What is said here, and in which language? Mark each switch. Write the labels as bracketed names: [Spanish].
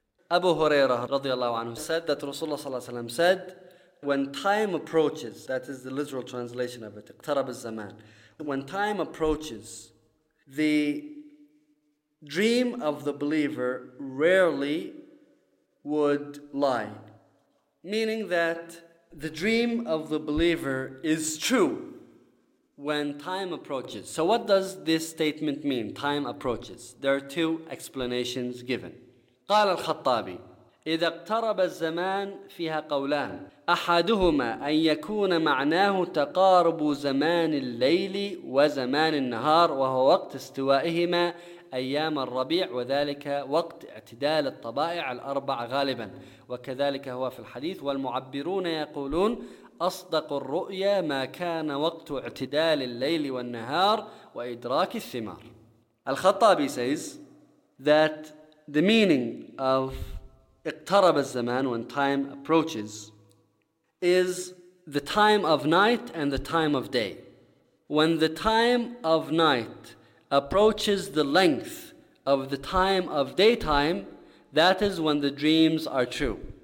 [English] Abu Hurairah radiallahu anhu said that Rasulullah sallallahu alayhi wa sallam said, when time approaches, that is the literal translation of it, [Arabic] اقْتَرَبَ الزَّمَانُ, [English] when time approaches, the dream of the believer rarely would lie. Meaning that the dream of the believer is true when time approaches. So what does this statement mean, time approaches? There are two explanations given. [Arabic] قال الخطابي إذا اقترب الزمان فيها قولان أحدهما أن يكون معناه تقارب زمان الليل وزمان النهار وهو وقت استوائهما أيام الربيع وذلك وقت اعتدال الطبائع الأربع غالبا وكذلك هو في الحديث والمعبرون يقولون أصدق الرؤيا ما كان وقت اعتدال الليل والنهار وإدراك الثمار. [English] الخطابي says that the meaning of [Arabic] اقترب الزمان, [English] when time approaches, is the time of night and the time of day. When the time of night approaches the length of the time of daytime, that is when the dreams are true.